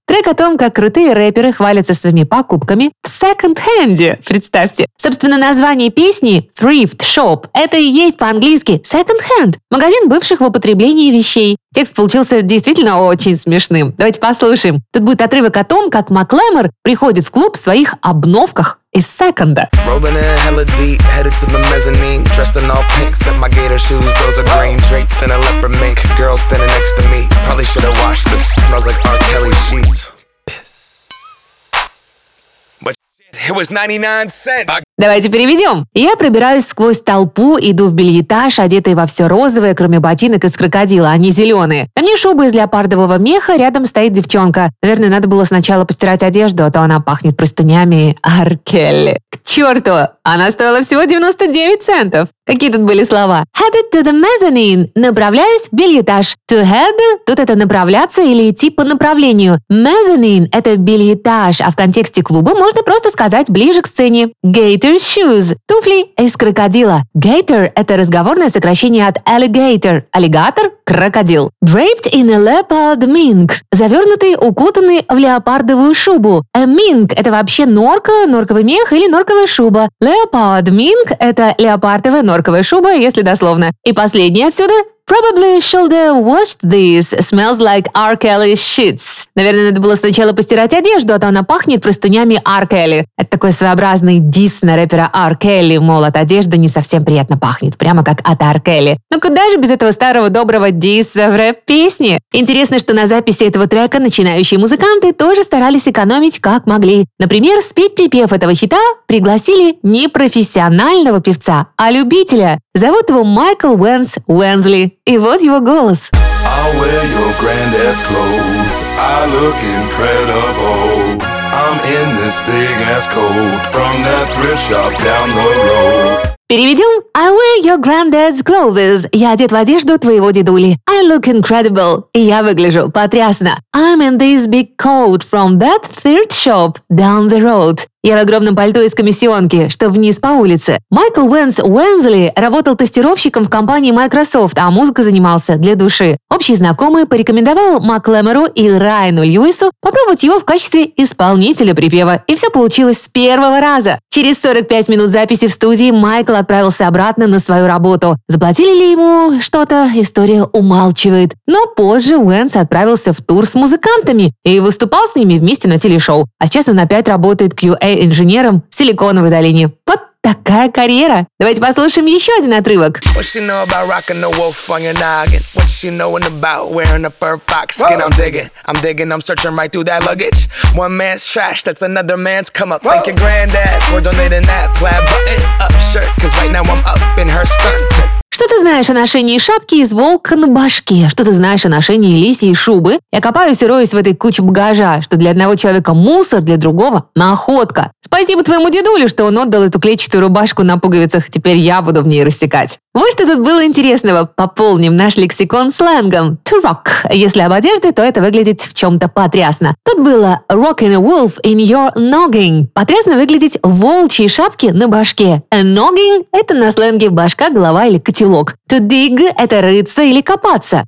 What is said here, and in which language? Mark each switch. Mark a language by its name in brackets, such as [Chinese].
[Russian] Трек о том, как крутые рэперы хвалятся своими покупками в секонд-хенде, представьте. Собственно, название песни «Thrift Shop» — это и есть по-английски «секонд-хенд» — магазин бывших в употреблении вещей. Текст получился действительно очень смешным. Давайте послушаем. Тут будет отрывок о том, как Маклемор приходит в клуб в своих обновках из секонда. [English] Rolling in hella deep, headed to the mezzanine, dressed in all pink, set my gator shoes, those are green, draped in a leopard mink, girl standing next to me, probably should have washed this, smells like R. Kelly sheets. Piss. It was 99 cents. [Russian] Давайте переведем. Я пробираюсь сквозь толпу, иду в бельетаж, одетый во все розовое, кроме ботинок из крокодила, они зеленые. На мне шуба из леопардового меха, рядом стоит девчонка. Наверное, надо было сначала постирать одежду, а то она пахнет простынями R. Kelly. К черту! Она стоила всего 99 центов. Какие тут были слова? [English] Headed to the mezzanine. [Russian] Направляюсь в бельетаж. [English] To head. [Russian] Тут это направляться или идти по направлению. Mezzanine – это бельетаж, а в контексте клуба можно просто сказать ближе к сцене. Gator shoes. Туфли из крокодила. Gator – это разговорное сокращение от alligator. Аллигатор – крокодил. [English] Draped in a leopard mink. [Russian] Завернутый, укутанный в леопардовую шубу. A mink – это вообще норка, норковый мех или норковая шуба. Leopard mink – это леопардовая норковая шуба, если дословно. И последнее отсюда. [English] Probably should have washed this. Smells like R. Kelly sheets. [Russian] Наверное, надо было сначала постирать одежду, а то она пахнет простынями R. Kelly. Это такой своеобразный дисс на рэпера R. Kelly. Мол, от одежды не совсем приятно пахнет, прямо как от R. Kelly. Но куда же без этого старого доброго дисса в рэп-песне? Интересно, что на записи этого трека начинающие музыканты тоже старались экономить как могли. Например, спеть припев этого хита пригласили не профессионального певца, а любителя. Зовут его Майкл Уэнс Уэнсли. И вот его голос. [English] I wear your granddad's clothes. I look incredible. I'm in this big ass coat from that thrift shop down the road. [Russian] Переведем. [English] I wear your granddad's clothes. [Russian] Я одет в одежду твоего дедули. [English] I look incredible. [Russian] Я выгляжу потрясно. [English] I'm in this big coat from that thrift shop down the road. [Russian] Я в огромном пальто из комиссионки, что вниз по улице. Майкл Уэнс Уэнзли работал тестировщиком в компании Microsoft, а музыкой занимался для души. Общий знакомый порекомендовал Маклемеру и Райану Льюису попробовать его в качестве исполнителя припева. И все получилось с первого раза. Через 45 минут записи в студии Майкл отправился обратно на свою работу. Заплатили ли ему что-то, история умалчивает. Но позже Уэнс отправился в тур с музыкантами и выступал с ними вместе на телешоу. А сейчас он опять работает QA-инженером в Силиконовой долине. Вот такая карьера. Давайте послушаем еще один отрывок. [English] What she know about rocking the wolf on your noggin? What she knowin' about wearing a fur fox skin? Whoa. I'm digging, I'm searching right through that luggage. One man's trash, that's another man's come up. Thank your granddad for donating that plaid button up shirt. Cause right now I'm up in her skirt. [Russian] Что ты знаешь о ношении шапки из волка на башке? Что ты знаешь о ношении лисьей шубы? Я копаюсь и роюсь в этой куче багажа, что для одного человека мусор, для другого – находка. Спасибо твоему дедулю, что он отдал эту клетчатую рубашку на пуговицах, теперь я буду в ней рассекать. Вот что тут было интересного. Пополним наш лексикон сленгом. [English] To rock. [Russian] Если об одежде, то это выглядит в чем-то потрясно. Тут было [English] rocking a wolf in your noggin. [Russian] Потрясно выглядеть в волчьей шапке на башке. A noggin – это на сленге башка, голова или котелок. To dig – это рыться или копаться.